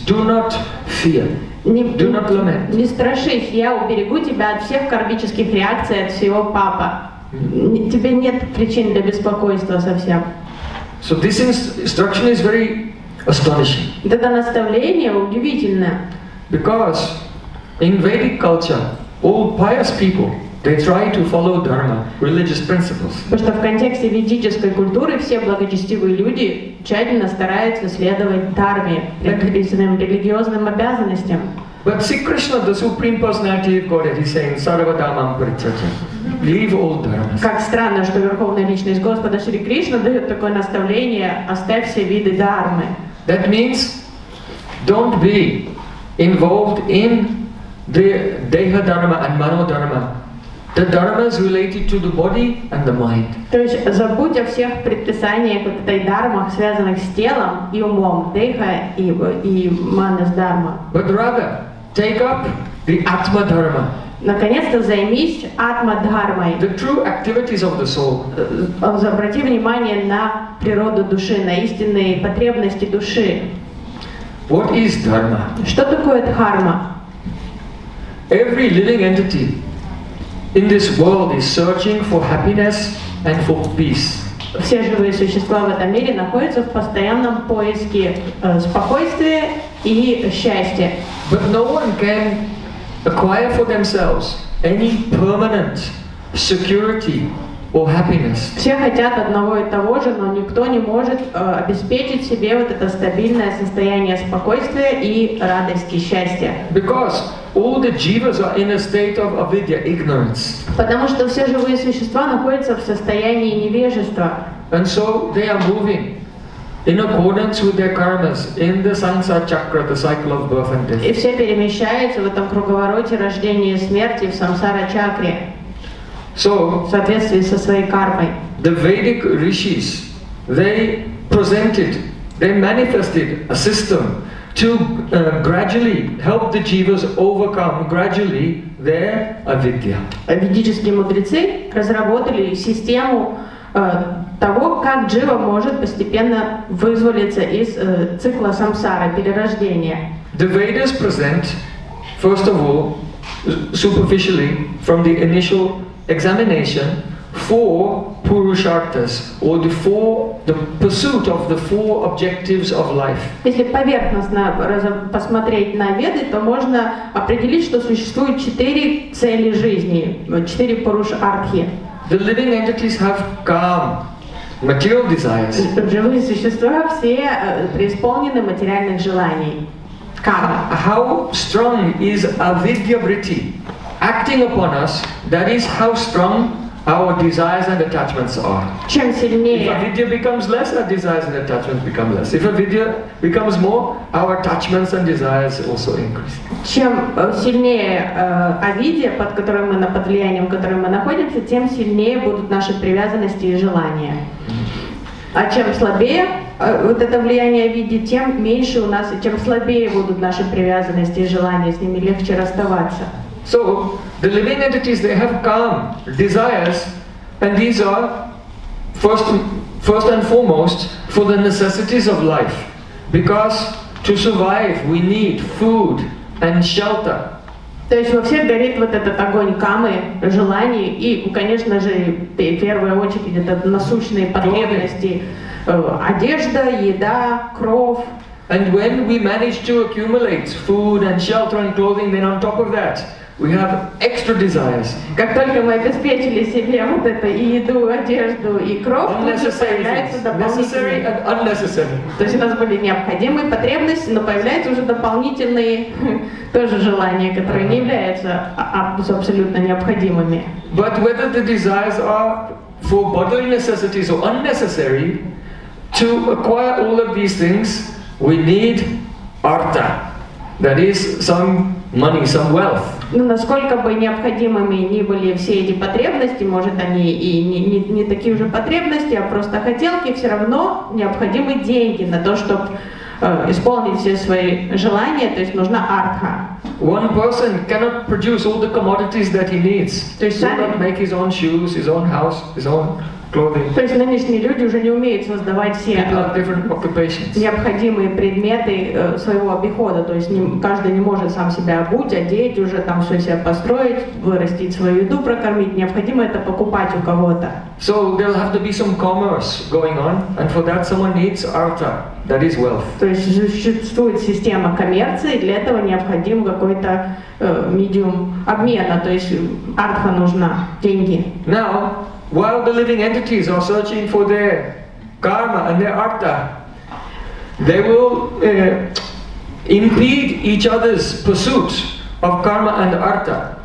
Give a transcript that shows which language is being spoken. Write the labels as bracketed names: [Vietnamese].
[English] Do not fear. Do not lament. [Russian] Не страшись, я уберегу тебя от всех кармических реакций, от всего папа. Тебе нет причин для беспокойства совсем. [English] So this instruction is very astonishing. [Russian] Это наставление удивительное. [English] Because in Vedic culture, all pious people, they try to follow dharma, religious principles. [Russian] Потому что в контексте ведической культуры все благочестивые люди тщательно стараются следовать дхарме, предписанным религиозным обязанностям. [English] But Sri Krishna, the Supreme Personality of Godhead, is saying, [Sanskrit] "Sarva dharmam parityajya." [English] Leave all dharmas. [Russian] Как странно, что Верховная Личность Господа Шри Кришна дает такое наставление, оставь все виды дхармы. [English] That means, don't be involved in the deha dharma and mano dharma. The dharma is related to the body and the mind. [Russian] То есть забудь о всех предписаниях вот этой дхармах, связанных с телом и умом, деха и манас дхарма. [English] But rather, take up the atma dharma. [Russian] Наконец-то займись атма-дхармой. [English] The true activities of the soul. [Russian] Обрати внимание на природу души, на истинные потребности души. [English] What is dharma? [Russian] Что такое дхарма? [English] Every living entity in this world is searching for happiness and for peace. [Russian] Все живые существа в этом мире находятся в постоянном поиске спокойствия и счастья. [English] But no one can acquire for themselves any permanent security or happiness. [Russian] Все хотят одного и того же, но никто не может обеспечить себе вот это стабильное состояние спокойствия и радости, счастья. [English] Because all the jivas are in a state of avidya, ignorance. [Russian] Потому что все живые существа находятся в состоянии невежества. [English] And so they are moving in accordance with their karmas, in the samsara chakra, the cycle of birth and death. [Russian] И все перемещаются в этом круговороте рождения и смерти в самсара чакре. [English] So, [Russian] в соответствии со своей кармой. [English] The Vedic rishis, they presented, they manifested a system to gradually help the jivas overcome gradually their avidya. [Russian] Ведические мудрецы разработали систему того, как джива может постепенно вызволиться из цикла самсары, перерождения. [English] The Vedas present, first of all, superficially, from the initial examination, four purusharthas, or the pursuit of the four objectives of life. [Russian] Если поверхностно посмотреть на Веды, то можно определить, что существует четыре цели жизни, четыре пурушархи. [English] The living entities have calm, material desires. [Russian] Живые существа все преисполнены материальных желаний. [English] Calm. How strong is avidya vritti acting upon us? That is how strong our desires and attachments are. [Russian] Чем сильнее. [English] If avidya becomes less, our desires and attachments become less. If avidya becomes more, our attachments and desires also increase. [Russian] Чем сильнее авидья, под которой мы на под влиянием, в котором мы находимся, тем сильнее будут наши привязанности и желания. А чем слабее вот это влияние авидьи, тем меньше у нас, чем слабее будут наши привязанности и желания, с ними легче расставаться. [English] So the living entities, they have calm desires, and these are first and foremost for the necessities of life, because to survive we need food and shelter. [Russian] То есть вообще горит вот этот огонь камы, желаний и, конечно же, в первую очередь это насущные потребности. Одежда, еда, кровь. [English] And when we manage to accumulate food and shelter and clothing, then on top of that, we have extra desires. [Russian] Как только мы обеспечили себе вот это и еду, одежду, и кровь, то появляются дополнительные. [English] Necessary and unnecessary. [Russian] То есть у нас были необходимые потребности, но появляются уже дополнительные тоже желания, которые не являются абсолютно необходимыми. [English] But whether the desires are for bodily necessities or unnecessary, to acquire all of these things, we need artha, that is some money, some wealth. [Russian] Ну, насколько бы необходимыми ни были все эти потребности, может они и не такие уже потребности, а просто хотелки, все равно необходимы деньги на то, чтобы исполнить все свои желания, то есть нужна артха. [English] One person cannot produce all the commodities that he needs. [Russian] То есть сами... [English] He cannot make his own shoes, his own house, his own... [Russian] То есть нынешние люди уже не умеют создавать все необходимые предметы своего обихода. То есть каждый не может сам себя обуть, одеть, уже там все себя построить, вырастить свою еду, прокормить. Необходимо это покупать у кого-то. [English] So there'll have to be some commerce going on, and for that someone needs artha, that is wealth. [Russian] То есть существует система коммерции, для этого необходим какой-то медиум обмена, то есть артха нужна, деньги. [English] Now, while the living entities are searching for their karma and their artha, they will impede each other's pursuit of karma and artha.